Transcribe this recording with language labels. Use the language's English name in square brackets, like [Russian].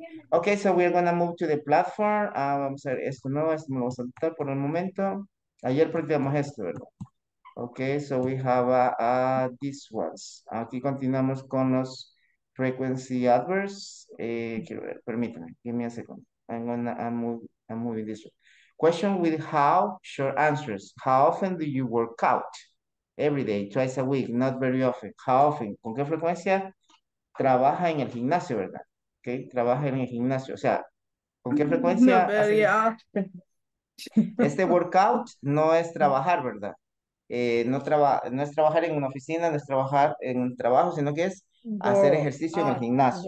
[English] Ok, so we're going to move to the platform. [Spanish] Vamos a ver, esto no, esto me lo voy a saltar por el momento. Ayer practicamos esto, ¿verdad? [English] Ok, so we have this ones. [Spanish] Aquí continuamos con los frequency adverbs. Quiero ver, permítanme, [English] give me a second. I'm moving this one. Question with how, short answers. How often do you work out? Every day, twice a week, not very often. How often? [Spanish] ¿Con qué frecuencia? Trabaja en el gimnasio, ¿verdad? Okay, trabaja en el gimnasio, o sea, ¿con qué frecuencia? [English] No, very often. [Spanish] Este workout no es trabajar, ¿verdad? No es trabajar en una oficina, no es trabajar en un trabajo, sino que es hacer ejercicio en el gimnasio.